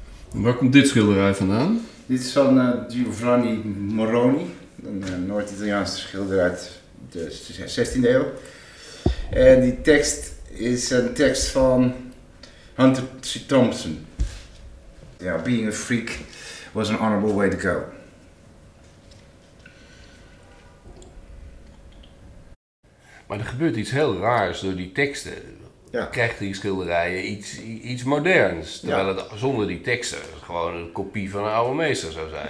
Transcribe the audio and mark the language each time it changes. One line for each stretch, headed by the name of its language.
Dutch: Waar komt dit schilderij vandaan? Dit is van Giovanni Moroni, een Noord-Italiaanse schilder uit de 16e eeuw. En die tekst is een tekst van Hunter C. Thompson.
English: Yeah, being a freak was an honorable way to go.
Dutch: Maar er gebeurt iets heel raars door die teksten. Ja. Krijgt die schilderijen iets moderns. Terwijl het zonder die teksten gewoon een kopie van een oude meester zou zijn.